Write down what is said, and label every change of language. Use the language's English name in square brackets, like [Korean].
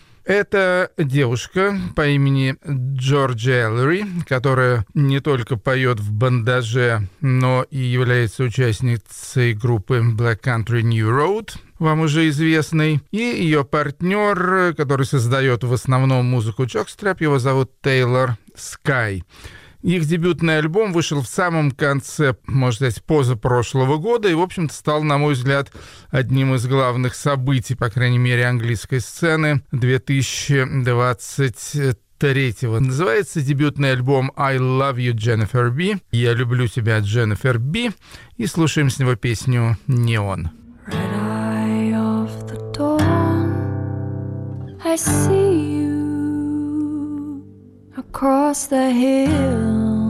[Russian] Это девушка по имени Джорджи Эллери, которая не только поет в бандаже, но и является участницей группы «Black Country New Road», вам уже известный, и ее партнер, который создает в основном музыку «Jockstrap», его зовут Тейлор Скай. Их дебютный альбом вышел в самом конце, можно сказать, позапрошлого года, и, в общем-то, стал, на мой взгляд, одним из главных событий, по крайней мере, английской сцены 2023-го. Называется дебютный альбом «I Love You, Jennifer B». «Я люблю тебя, Jennifer B». И слушаем с него песню «Neon». [English] Red eye of the dawn, I see you across the hill.